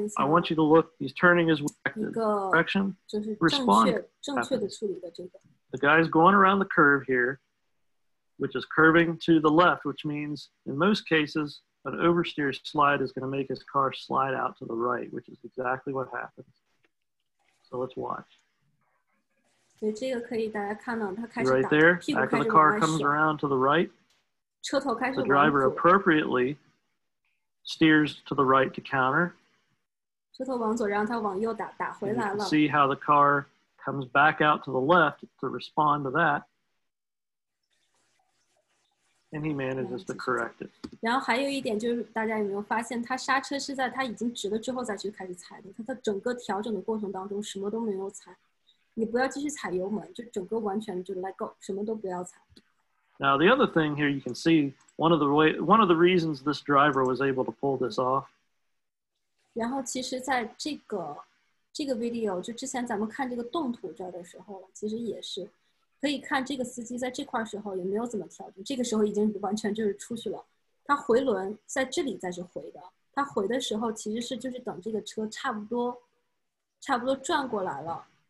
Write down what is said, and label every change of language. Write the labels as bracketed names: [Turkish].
[English] I want you to look, he's turning his direction. Respond. The guy's going around the curve here, which is curving to the left, which means in most cases, an oversteer slide is going to make his car slide out to the right, which is exactly what happens. So let's watch. [Chinese] 所以这个可以大家看到，它开始打 [English] right there, [Chinese] 屁股开始往外甩。 [English] The car comes around to the right. [Chinese] 车头开始往左。 [English] The driver appropriately steers to the right to counter. [Chinese] 车头往左，然后它往右打回来了。 [English] See how the car comes back out to the left to respond to that, and he manages to correct it. [Chinese] 然后还有一点就是，大家有没有发现，它刹车是在它已经直了之后再去开始踩的？它整个调整的过程当中什么都没有踩。你不要继续踩油门，就整个完全就 [English] let go， [Chinese] 什么都不要踩。 [English] Now the other thing here, you can see one of the reasons this driver was able to pull this off. [Chinese] 然后其实在这个 video 就之前咱们看这个动图这儿的时候，其实也是可以看这个司机在这块时候也没有怎么调整，这个时候已经完全就是出去了。他回轮在这里再去回的，他回的时候其实是就是等这个车差不多转过来了。